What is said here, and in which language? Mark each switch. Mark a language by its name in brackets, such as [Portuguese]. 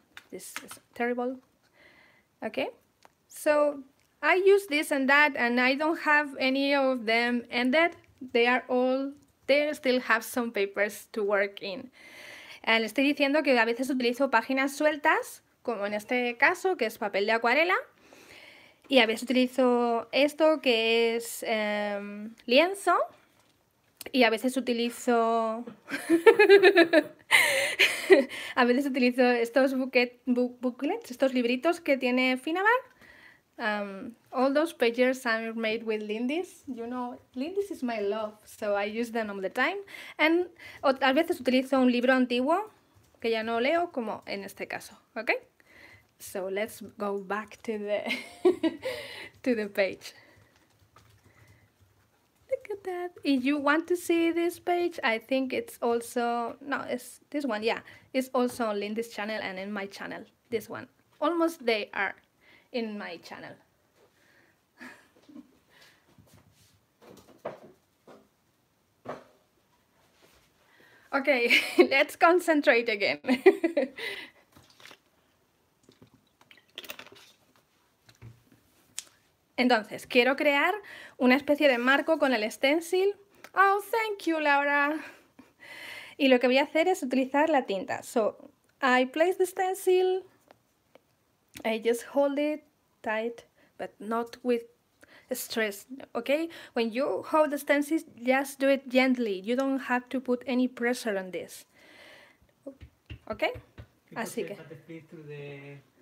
[English] This is terrible. Okay, so I use this and that, and I don't have any of them ended, they are all. They still have some papers to work in. [Spanish] Le estoy diciendo que a veces utilizo páginas sueltas, como en este caso, que es papel de acuarela. Y a veces utilizo esto, que es lienzo. Y a veces utilizo... a veces utilizo estos booklets, estos libritos que tiene Finabar. [English] All those pages are made with Lindy's. You know, Lindy's is my love, so I use them all the time. [Spanish] And a veces utilizo un libro antiguo que ya no leo, como en este caso. Okay? [English] So let's go back to the to the page. Look at that. If you want to see this page, I think it's also no, it's this one. Yeah, it's also on Lindy's channel and in my channel. This one. Almost they are. In my channel. (laughs) Okay, let's concentrate again. [Spanish] Entonces, quiero crear una especie de marco con el stencil. [English] Oh, thank you, Laura. [Spanish] Y lo que voy a hacer es utilizar la tinta. [English] So, I place the stencil. I just hold it tight, but not with stress, okay? When you hold the stencil, just do it gently. You don't have to put any pressure on this. Okay? Because [Spanish] así que... [English] The...